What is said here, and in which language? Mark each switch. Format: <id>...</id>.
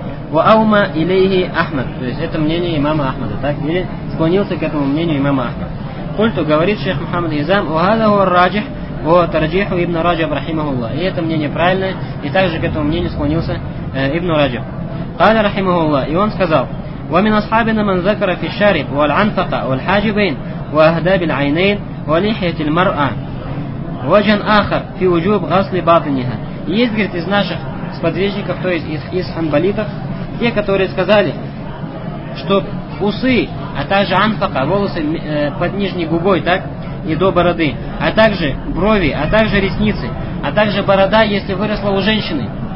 <ar>Ва аума илейхи Ахмад.</ar> <ru>То есть это мнение имама Ахмада, так? Или склонился к этому мнению имама Ахмада. Культу говорит шейх Мухаммад Изам,</ru> <ar>ва хаза хуа раджих, ва тарджиху ибн раджих рахимахуллах.</ar> <ru>И это мнение правильное, и также к этому мнению склонился ибн раджих.</ru> <ar>Кала рахимахуллах.</ar> <ru>И он сказал:</ru> <ar>ومن أصحابنا من ذكر في الشارب والعنفقة والحاجبين وأهداب العينين ولحية المرأة وجه آخر في وجوب غسل باطنها.</ar> <ru>Есть, говорит, из наших сподвижников, то есть из ханбалитов, те, которые сказали, что усы, а также анфака, волосы под нижней губой, так, и до бороды, а также брови, а также ресницы, а также борода, если выросла у женщины.</ru>